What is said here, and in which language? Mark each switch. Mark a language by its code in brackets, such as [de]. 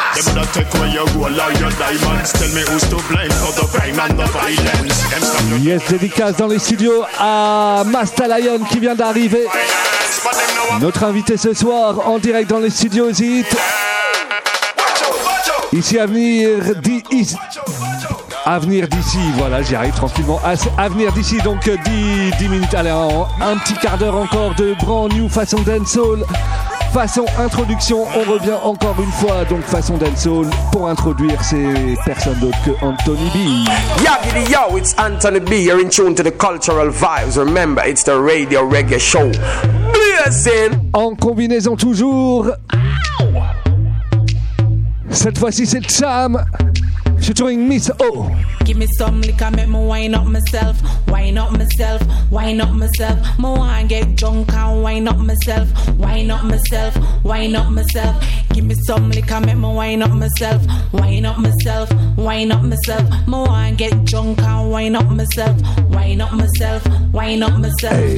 [en] They better take away your gold or your diamonds. Tell me who's to blame for the crime and the violence. [fr] Yes, dédicace dans les studios à Master Lion qui vient d'arriver. Notre invité ce soir en direct dans les studios Hit. Ici Avenir d'ici, Avenir d'ici, voilà, j'y arrive tranquillement. Avenir d'ici, donc 10 minutes, allez, un petit quart d'heure encore de [en] brand new [fr] façon dancehall, façon introduction. On revient encore une fois, donc façon dancehall, pour introduire ces personnes d'autres que Anthony B. [en] Yagidi yo, it's Anthony B, you're in tune to the cultural vibes, remember, it's the radio reggae show. Blessing! [fr] En combinaison toujours... Cette fois-ci, c'est Cham featuring Miss O. [en] Give me some liquor, make me wine up myself. Wine up myself, wine up myself. Me want to get drunk and wine up myself. Wine up myself, wine up myself. Give me some liquor, make me wine up myself. Wine up myself, wine up myself. Me want to get drunk and wine up myself. Wine up myself, wine up myself.